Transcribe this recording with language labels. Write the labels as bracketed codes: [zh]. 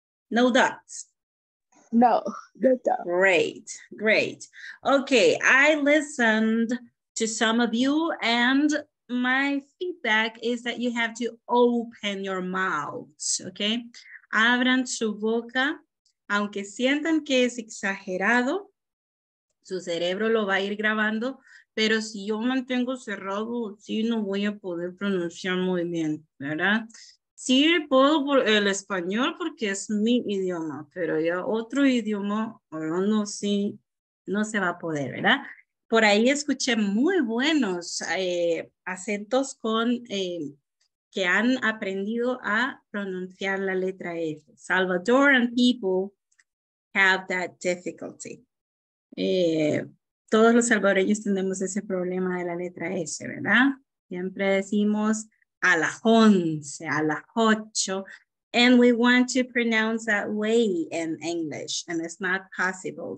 [en] No dots? No, no dots. Great, great. Okay, I listened to some of you and my feedback is that you have to open your mouths, okay? [es] Abran su boca, aunque sientan que es exagerado, su cerebro lo va a ir grabando, pero si yo mantengo cerrado, sí no voy a poder pronunciar muy bien, ¿verdad? Sí puedo por el español porque es mi idioma, pero ya otro idioma, ahora no, sí, no se va a poder, ¿verdad? Por ahí escuché muy buenos acentos con que han aprendido a pronunciar la letra F. [en] Salvadoran people have that difficulty. [es] Todos los salvadoreños tenemos ese problema de la letra S, ¿verdad? Siempre decimos a la once, a la ocho, [en] and we want to pronounce that way in English, and it's not possible.